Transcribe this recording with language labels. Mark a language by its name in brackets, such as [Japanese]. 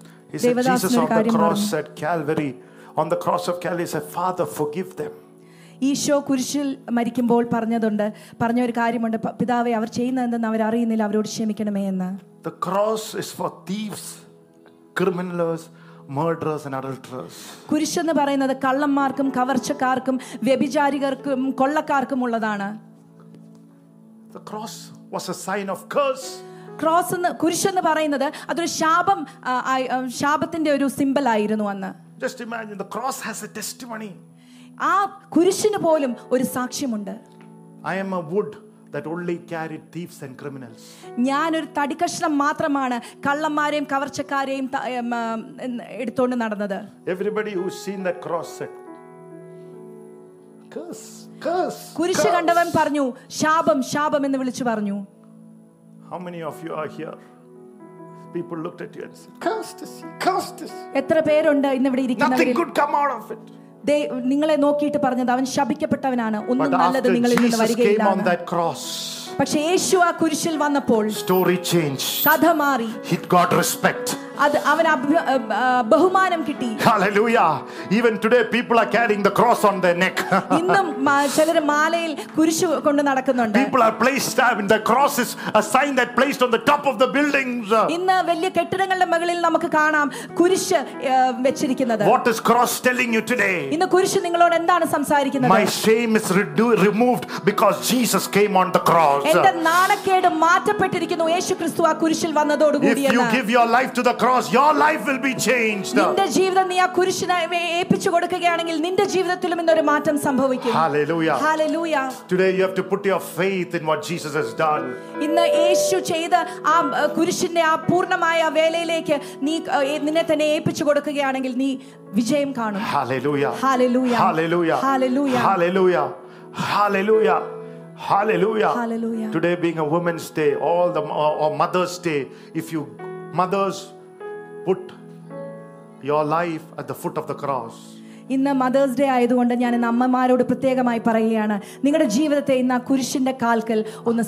[English] He said Jesus on the cross said Calvary, on the cross of Calvary said, Father, forgive them. [Malayalam] Isho കുരിശിൽ മരിക്കുമ്പോൾ പറഞ്ഞതുണ്ട്, പറഞ്ഞ ഒരു കാര്യമുണ്ട്, പിതാവേ അവർ ചെയ്യുന്നതെന്ന് അവർ അറിയുന്നില്ല, അവരോട് ക്ഷമിക്കണമേ എന്ന്. [English] The cross is for thieves, criminals, murderers and adulterers. [Malayalam] കുരിശ് എന്ന് പറയുന്നത് കള്ളന്മാർക്കും കവർച്ചക്കാർക്കും വ്യഭിചാരികൾക്കും കൊള്ളക്കാർക്കും ഉള്ളതാണ്. [English] The cross was a sign of curse. [Malayalam] Cross എന്ന് കുരിശ് എന്ന് പറയുന്നത് അതൊരു ശാപം, ശാപത്തിന്റെ ഒരു സിംബൽ ആയിരുന്നു അന്ന്. [English] Just imagine, the cross has a testimony. [Malayalam] ആ കുരിശിന് പോലും ഒരു സാക്ഷ്യമുണ്ട്. [English] I am a wood that only carried thieves and criminals. [Malayalam] ഞാൻ ഒരു തടികഷ്ണം മാത്രമാണ് കള്ളന്മാരെയും കവർച്ചക്കാരെയും എടുത്തുകൊണ്ട് നടന്നത്. [English] Everybody who's seen that cross said, curse, curse. [Malayalam] കുരിശ് കണ്ടവൻ പറഞ്ഞു, ശാപം, ശാപം എന്ന് വിളിച്ചു പറഞ്ഞു. [English] How many of you are here? People looked at you and said, "Cursed is he, cursed is he." [Malayalam] എത്ര പേരുണ്ട് ഇന്ന് ഇവിടെ ഇരിക്കുന്നവരിൽ? [English] Nothing could come out of it. [Malayalam] ദേ നിങ്ങളെ നോക്കിയിട്ട് പറഞ്ഞത് അവൻ ശപിക്കപ്പെട്ടവനാണ്, ഒന്നും നല്ലത് നിങ്ങളിൽ നിന്ന് വരികയില്ല. പക്ഷേ യേശു ആ കുരിശിൽ വന്നപ്പോൾ [English] story change, [Malayalam] കഥ മാറി. [English] He got respect. [Malayalam] അത് അവൻ ബഹുമാനം കിട്ടി. [English] Hallelujah. Even today people are carrying the cross on their neck. [Malayalam] ഇന്നും ചിലര് മാലയിൽ കുരിശ് കൊണ്ട് നടക്കുന്നുണ്ട്. [English] People are placed having the cross is a sign that placed on the top of the buildings. [Malayalam] ഇന്ന് വലിയ കെട്ടിടങ്ങളുടെ മുകളിൽ നമുക്ക് കാണാം കുരിശ് വെച്ചിരിക്കുന്നത്. [English] What is cross telling you today? [Malayalam] ഇന്ന് കുരിശ് നിങ്ങളോട് എന്താണ് സംസാരിക്കുന്നത്? [English] My shame is removed because Jesus came on the cross. [Malayalam] എന്റെ നാണക്കേട് മാറ്റപ്പെട്ടിരിക്കുന്നു യേശുക്രിസ്തു ആ കുരിശിൽ വന്നതോടുകൂടി. [English] If you give your life to the cross, your life will be changed. [Malayalam] നിന്റെ ജീവിതം നീ ആ കുരിശിനെ ഏൽപ്പിച്ചു കൊടുക്കുകയാണെങ്കിൽ നിന്റെ ജീവിതത്തിലും ഇന്നൊരു മാറ്റം സംഭവിക്കും. [English] Hallelujah. Hallelujah. Today you have to put your faith in what Jesus has done. [Malayalam] ഇന്ന് യേശു ചെയ്ത ആ കുരിശിന്റെ ആ പൂർണ്ണമായ വേലയിലേക്ക് നീ നിന്നെ തന്നെ ഏൽപ്പിച്ചു കൊടുക്കുകയാണെങ്കിൽ നീ വിജയം കാണും. [English] Hallelujah. Hallelujah. Hallelujah. Hallelujah. Hallelujah. Hallelujah. Hallelujah. Hallelujah. Today being a Women's Day, all the or Mother's Day, if you mothers put your life at the foot of the cross. [Malayalam] ഇന്ന് മദേഴ്സ് ഡേ ആയതുകൊണ്ട് ഞാൻ അമ്മമാരോട് പ്രത്യേകമായി പറയുകയാണ് നിങ്ങളുടെ ജീവിതത്തെ ഇന്ന് ആ കുരിശിന്റെ കാൽക്കൽ ഒന്ന്